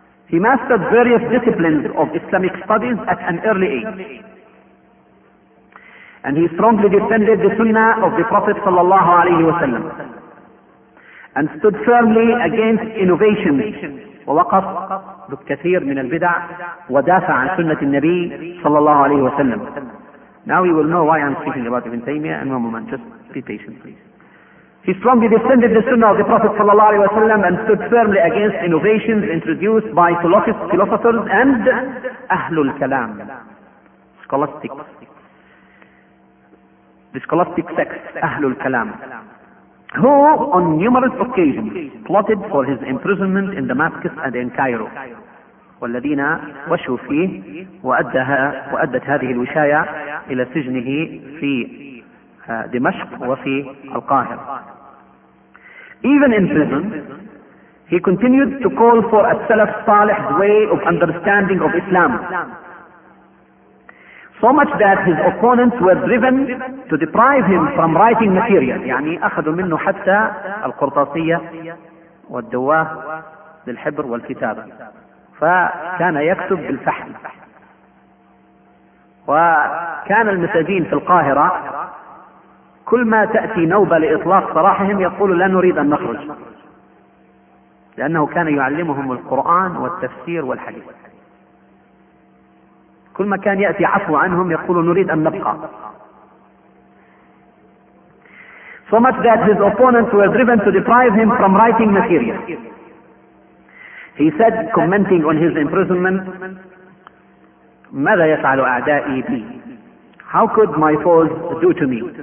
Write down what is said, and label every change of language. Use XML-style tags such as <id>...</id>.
<en>He mastered various disciplines of Islamic studies at an early age. And he strongly defended the Sunnah of the Prophet sallallahu alayhi wa sallam. And stood firmly against innovation.</en> <ar>ووقف بكثير من البدع ودافع عن سنة النبي صلى الله عليه وسلم.</ar> <en>Now we will know why I'm speaking about Ibn Taymiyyah and Muhammad. Just be patient, please. He strongly defended the Sunnah of the Prophet sallallahu alaihi wasallam and stood firmly against innovations introduced by philosophers and Ahlul Kalam, scholastics. The scholastic sect, Ahlul Kalam, who on numerous occasions plotted for his imprisonment in Damascus and in Cairo.</en> <ar>والذين وشوا فيه وأدت هذه الوشاية إلى سجنه في دمشق وفي القاهرة.</ar> <en>Even in prison, he continued to call for a Salaf Saleh's way of understanding of Islam. So much that his opponents were driven to deprive him from writing material.</en> <ar>يعني أخذوا منه حتى القرطاسية والدواه للحبر والكتابة. فكان يكتب بالفحم. وكان المساجين في القاهرة كل ما تأتي نوبة لإطلاق سراحهم يقول لا نريد أن نخرج، لأنه كان يعلمهم القرآن والتفسير والحديث. كل ما كان يأتي عفو عنهم يقول نريد أن نبقى.</ar> <en>So much that his opponents were driven to deprive him from writing material. He said, commenting on his imprisonment,</en> <ar>ماذا يفعل أعدائي بي؟</ar> <en>How could my foes do to me?</en>